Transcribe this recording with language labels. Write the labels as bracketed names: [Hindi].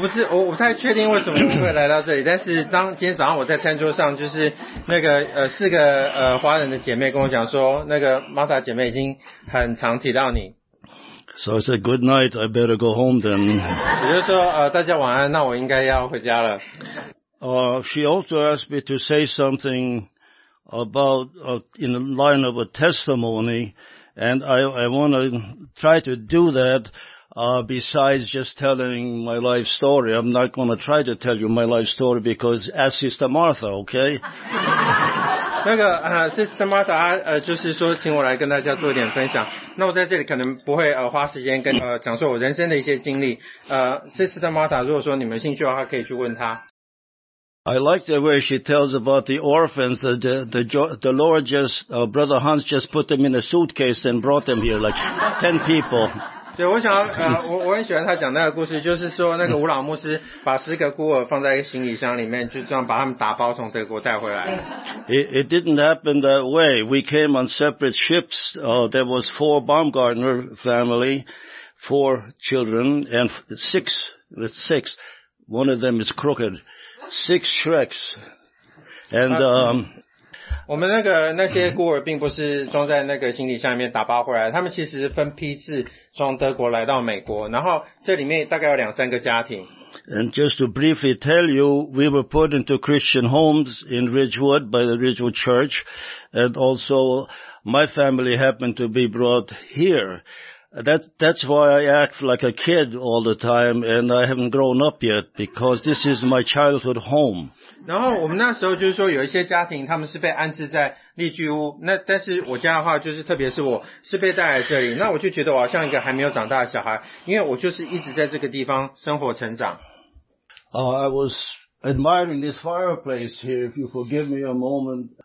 [Chinese] 我不太确定为什么会来到这里，但是当今天早上我在餐桌上，就是那个四个华人的姐妹跟我讲说，那个 Martha 姐妹已经很常提到你。 [English] So I said, good night, I better go home then. [Chinese] 也就是说大家晚安，那我应该要回家了。 [English] She also asked me to say something about, in the line of a testimony, and I want to try to do that, besides just telling my life story. I'm not going to try to tell you my life story because ask Sister Martha, okay? [Chinese] 那个Sister Martha 就是说请我来跟大家做一点分享。那我在这里可能不会花时间跟讲说我人生的一些经历。 Sister Martha, 如果说你们兴趣的话可以去问她。 [English] I like the way she tells about the orphans that the Lord just, Brother Hans just put them in a suitcase and brought them here, like 10 people. [Chinese] 对，我想我很喜欢他讲那个故事，就是说那个吴老牧师把十个孤儿放在一个行李箱里面，就这样把他们打包从德国带回来。 [English] It didn't happen that way. We came on separate ships. There was four Baumgartner family, four children, and six. One of them is crooked. Six Shreks. And, [Chinese] 我们那些孤儿并不是装在那个行李箱里面打包回来，他们其实分批次从德国来到美国，然后这里面大概有两三个家庭。 [English] And just to briefly tell you, we were put into Christian homes in Ridgewood by the Ridgewood Church, and also my family happened to be brought here. That's why I act like a kid all the time, and I haven't grown up yet, because this is my childhood home. [Chinese] 然后我们那时候就是说有一些家庭他们是被安置在丽居屋，那但是我家的话就是特别是我是被带来这里，那我就觉得我好像一个还没有长大的小孩，因为我就是一直在这个地方生活成长。 [English] I was admiring this fireplace here, if you forgive me a moment.